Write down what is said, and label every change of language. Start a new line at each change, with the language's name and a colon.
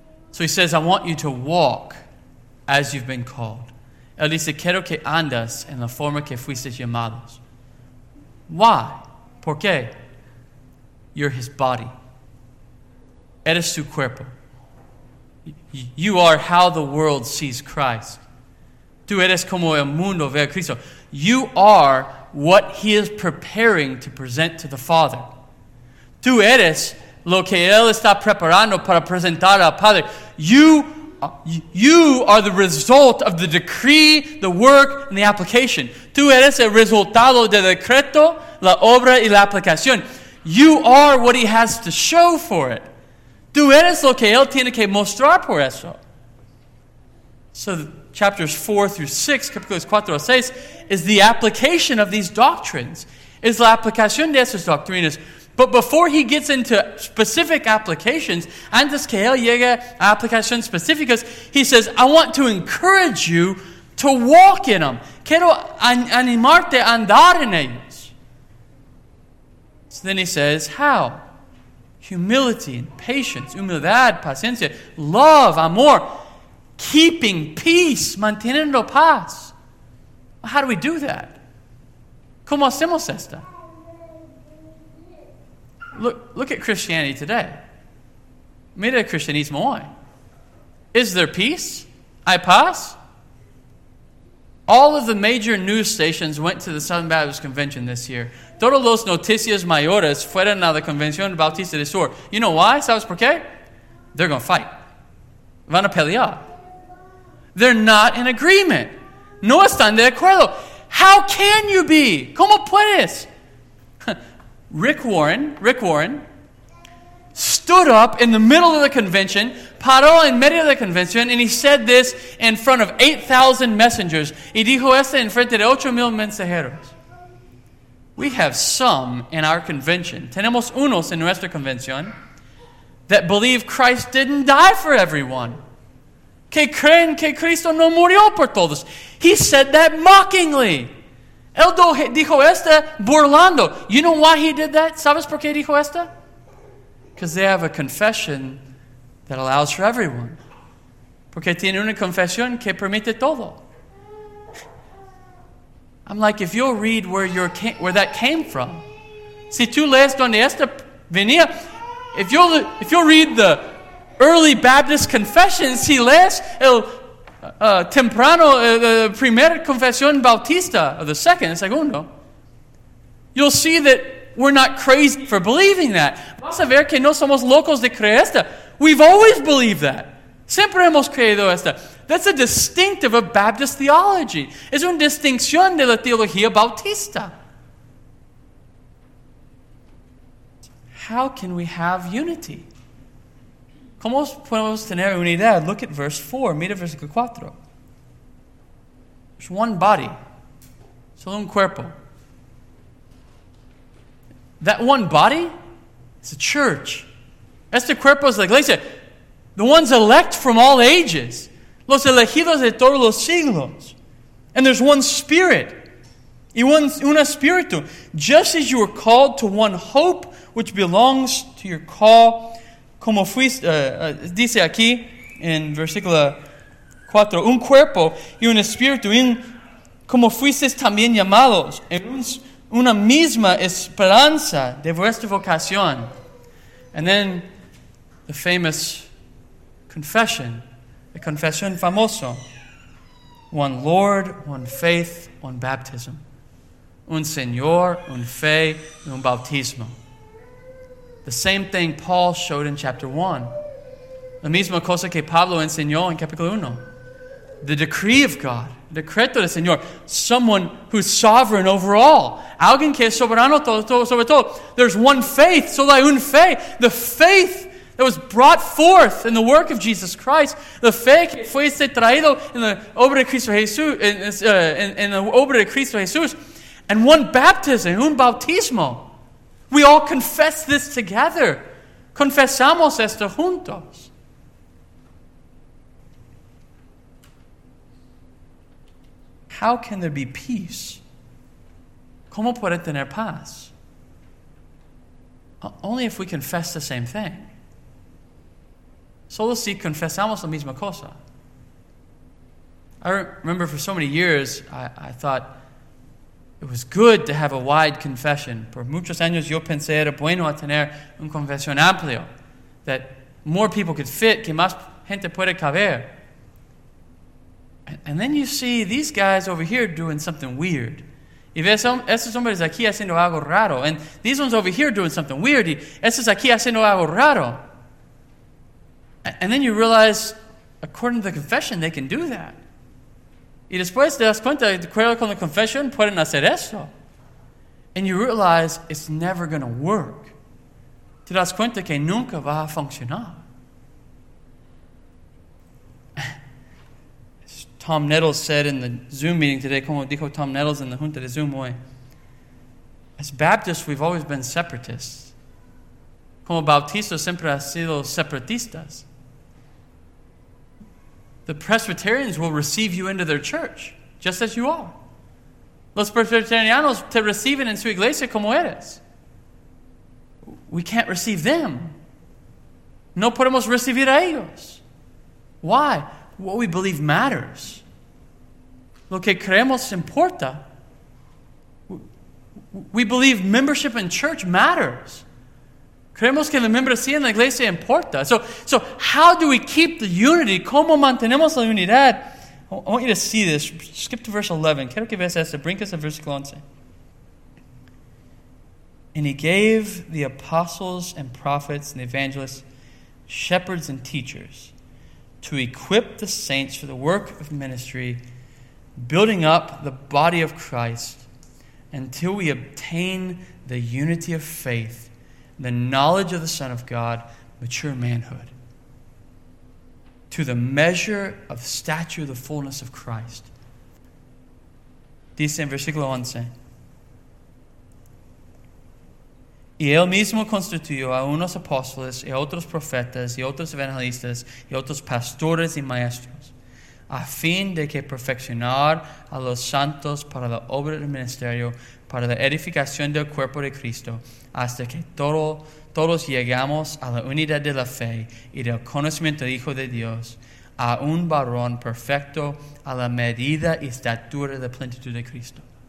English: So he says, I want you to walk as you've been called.
Spanish: Él dice, quiero que andas en la forma que fuiste llamados.
English: Why?
Spanish: ¿Por qué?
English: You're his body.
Spanish: Eres su cuerpo.
English: You are how the world sees Christ.
Spanish: Tú eres como el mundo ve a Cristo.
English: You are what he is preparing to present to the Father.
Spanish: Tú eres lo que él está preparando para presentar al Padre.
English: You are the result of the decree, the work, and the application.
Spanish: Tú eres el resultado del decreto, la obra y la aplicación.
English: You are what he has to show for it.
Spanish: Tú eres lo que él tiene que mostrar por eso.
English: So chapters 4 through 6,
Spanish: capítulos 4 a 6,
English: is the application of these doctrines.
Spanish: Es la aplicación de esas doctrinas.
English: But before he gets into specific applications,
Spanish: antes que él llegue a aplicaciones específicas,
English: he says, I want to encourage you to walk in them.
Spanish: Quiero animarte a andar en ellos.
English: So then he says, how? Humility and patience,
Spanish: humildad, paciencia,
English: love, amor, keeping peace,
Spanish: manteniendo paz.
English: How do we do that?
Spanish: ¿Cómo hacemos esto?
English: Look at Christianity today.
Spanish: Mira el cristianismo hoy.
English: Is there peace?
Spanish: ¿Hay paz?
English: All of the major news stations went to the Southern Baptist Convention this year.
Spanish: Todos los noticias mayores fueron a la Convención Bautista del Sur.
English: You know why?
Spanish: ¿Sabes por qué?
English: They're going to fight.
Spanish: Van a pelear.
English: They're not in agreement.
Spanish: No están de acuerdo.
English: How can you be?
Spanish: ¿Cómo puedes?
English: Rick Warren, stood up in the middle of the convention,
Spanish: paró en medio de la convención,
English: and he said this in front of 8,000 messengers.
Spanish: Y dijo esto en frente de 8,000 mensajeros.
English: We have some in our convention.
Spanish: Tenemos unos en nuestra convención
English: that believe Christ didn't die for everyone.
Spanish: Que creen que Cristo no murió por todos.
English: He said that mockingly.
Spanish: Él dijo esto burlando.
English: You know why he did that?
Spanish: ¿Sabes por qué dijo esto?
English: Because they have a confession that allows for everyone.
Spanish: Porque tiene una confesión que permite todo.
English: I'm like, if you'll read where that came from,
Spanish: si tú lees donde esto venía,
English: if you'll read the early Baptist confessions,
Spanish: si lees el temprano,
English: the
Spanish: primera confesión bautista,
English: or the second,
Spanish: el segundo,
English: you'll see that we're not crazy for believing that.
Spanish: Vas a ver que no somos locos de creer esto.
English: We've always believed that.
Spanish: Siempre hemos creído esto.
English: That's a distinctive of Baptist theology.
Spanish: Es una distinción de la teología bautista.
English: How can we have unity?
Spanish: ¿Cómo podemos tener unidad?
English: Look at verse 4.
Spanish: Mira versículo 4.
English: There's one body.
Spanish: Solo un cuerpo.
English: That one body? It's a church.
Spanish: Este cuerpo es la iglesia.
English: The ones elect from all ages.
Spanish: Los elegidos de todos los siglos.
English: And there's one spirit.
Spanish: Y un espíritu.
English: Just as you were called to one hope which belongs to your call.
Spanish: Como fuiste, dice aquí en versículo 4. Un cuerpo y un espíritu. Y como fuisteis también llamados. En una misma esperanza de vuestra vocación.
English: And then the famous confession. A confession famoso. One Lord, one faith, one baptism.
Spanish: Un Señor, un fe, un bautismo.
English: The same thing Paul showed in chapter 1.
Spanish: La misma cosa que Pablo enseñó en capítulo 1.
English: The decree of God.
Spanish: Decreto del Señor.
English: Someone who's sovereign over all.
Spanish: Alguien que es soberano sobre todo.
English: There's one faith.
Spanish: Solo hay un fe.
English: The faith that was brought forth in the work of Jesus Christ, the faith
Spanish: fuiste traído en la obra de Cristo Jesús,
English: in the
Spanish: obra de Cristo Jesús,
English: and one baptism,
Spanish: un bautismo.
English: We all confess this together.
Spanish: Confesamos esto juntos.
English: How can there be peace?
Spanish: ¿Cómo puede tener paz?
English: only if we confess the same thing.
Spanish: Solo si confesamos la misma cosa.
English: I remember for so many years, I thought it was good to have a wide confession.
Spanish: Por muchos años yo pensé era bueno a tener un confesión amplio,
English: that more people could fit,
Spanish: que más gente puede caber.
English: And then you see these guys over here doing something weird.
Spanish: Y ves estos hombres aquí haciendo algo raro.
English: And these ones over here doing something weird.
Spanish: Y estos aquí haciendo algo raro.
English: And then you realize, according to the confession, they can do that.
Spanish: Y después te das cuenta, de acuerdo con la confesión, pueden hacer eso.
English: And you realize it's never going to work.
Spanish: Te das cuenta que nunca va a funcionar.
English: Tom Nettles said in the Zoom meeting today,
Spanish: como dijo Tom Nettles en la junta de Zoom hoy,
English: as Baptists, we've always been separatists.
Spanish: Como bautistas, siempre han sido separatistas.
English: The Presbyterians will receive you into their church, just as you are.
Spanish: Los Presbyterianos te reciben en su iglesia como eres.
English: We can't receive them.
Spanish: No podemos recibir a ellos.
English: Why? What we believe matters.
Spanish: Lo que creemos importa.
English: We believe membership in church matters.
Spanish: Creemos que la membresía en la iglesia importa.
English: So how do we keep the unity?
Spanish: ¿Cómo mantenemos la unidad?
English: I want you to see this. Skip to verse 11.
Spanish: Quiero que veas esto. Brincas a versículo 11.
English: And he gave the apostles and prophets and evangelists, shepherds and teachers, to equip the saints for the work of ministry, building up the body of Christ until we obtain the unity of faith, the knowledge of the Son of God, mature manhood, to the measure of stature, the fullness of Christ.
Spanish: Dice en versículo 11, y él mismo constituyó a unos apóstoles y otros profetas y otros evangelistas y otros pastores y maestros, a fin de que perfeccionar a los santos para la obra del ministerio, para la edificación del cuerpo de Cristo, hasta que todos llegamos a la unidad de la fe y del conocimiento del Hijo de Dios, a un varón perfecto a la medida y estatura de plenitud de Cristo.